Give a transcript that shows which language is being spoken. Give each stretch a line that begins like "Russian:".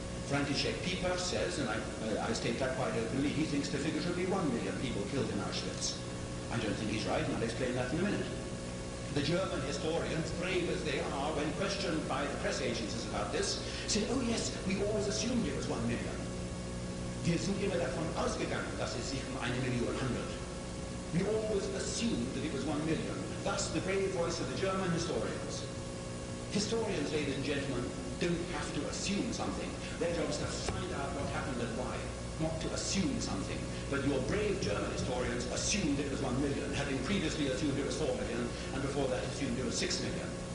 English: Franciszek Piper says, and I state that quite openly, he thinks the figure should be 1 million people killed in Auschwitz. I don't think he's right, and I'll explain that in a minute. The German historians, brave as they are, when questioned by the press agencies about this, say, oh yes, we always assumed it was 1 million.
German: Wir sind immer davon ausgegangen, dass es sich um 1 Million handelt.
English: We always assumed that it was 1 million. Thus, the brave voice of the German historians. Historians, ladies and gentlemen, don't have to assume something. Their job is to find out what happened and why, not to assume something. But your brave German historians assumed it was 1 million, having previously assumed it was 4 million, and before that assumed it was 6 million.